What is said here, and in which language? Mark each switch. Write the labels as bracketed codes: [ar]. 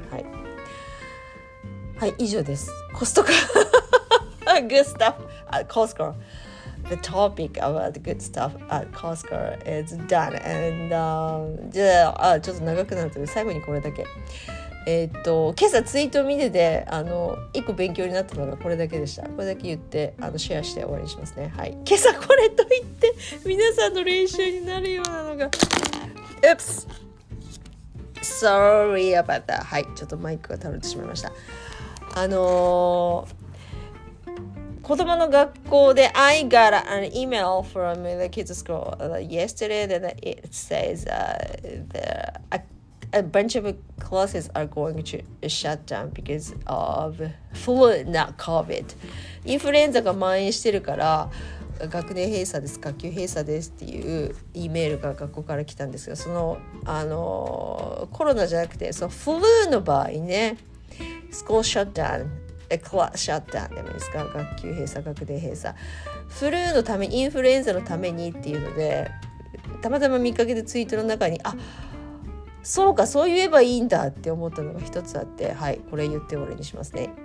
[ja] はいはい、以上です。コストコ [en] good stuff at Costco、 the topic about the good stuff at Costco is done and、 [ja] じゃあ、ちょっと長くなったので最後にこれだけ、今朝ツイート見てて、あの一個勉強になったのがこれだけでした。これだけ言って、あのシェアして終わりにしますね。はい、今朝これと言って皆さんの練習になるようなのが、うぷす、 [en] sorry about that。 [ja] はい、ちょっとマイクが倒れてしまいました。子供の学校で [en] I got an email from the kids school yesterday that it says、a bunch of classes are going to shut down because of flu, not COVID. [ja] インフルエンザが蔓延してるから学年閉鎖です、学級閉鎖ですっていう E メールが学校から来たんですが、その、コロナじゃなくて、そのフルーの場合ね、スクールシャットダウン、クラスシャットダウンでもいいですか、学級閉鎖、学年閉鎖、フルーのため、インフルエンザのためにっていうので、たまたま見かけてツイートの中に、あ、そうか、そう言えばいいんだって思ったのが一つあって、はい、これ言って終わりにしますね。